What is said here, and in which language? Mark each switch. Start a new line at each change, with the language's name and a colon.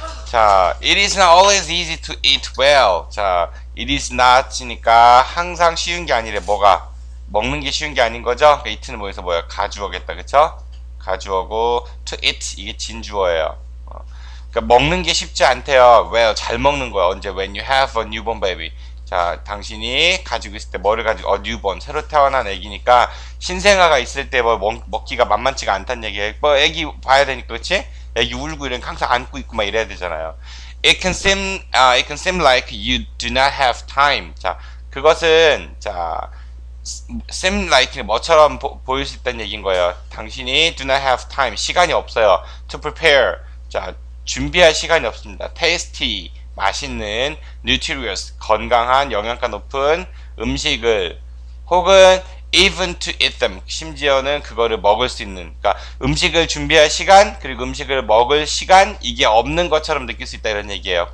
Korean: 자,
English: it is not always easy to eat well.
Korean: 자,
English: it is not
Korean: 이니까 항상 쉬운 게 아니래. 뭐가? 먹는 게 쉬운 게 아닌 거죠? eat는 뭐에서 뭐야? 가주어겠다. 그쵸? 가주어고, to eat, 이게 진주어예요. 그러니까 먹는 게 쉽지 않대요. well, 잘 먹는 거야. 언제?
English: when you have a newborn baby.
Korean: 자, 당신이 가지고 있을 때, 뭐를 가지고,
English: a newborn,
Korean: 새로 태어난 애기니까, 신생아가 있을 때 뭐 먹기가 만만치가 않단 얘기예요. 뭐, 애기 봐야 되니까, 그치? 애기 울고 이러니까 항상 안고 있고 막 이래야 되잖아요.
English: it can seem like you do not have time.
Korean: 자, 그것은, 자, seem like, 뭐처럼 보일 수 있다는 얘기인 거예요. 당신이
English: do not have time,
Korean: 시간이 없어요.
English: to prepare,
Korean: 자, 준비할 시간이 없습니다.
English: tasty,
Korean: 맛있는,
English: nutritious,
Korean: 건강한, 영양가 높은 음식을, 혹은
English: even to eat them,
Korean: 심지어는 그거를 먹을 수 있는, 그러니까 음식을 준비할 시간, 그리고 음식을 먹을 시간, 이게 없는 것처럼 느낄 수 있다 이런 얘기예요.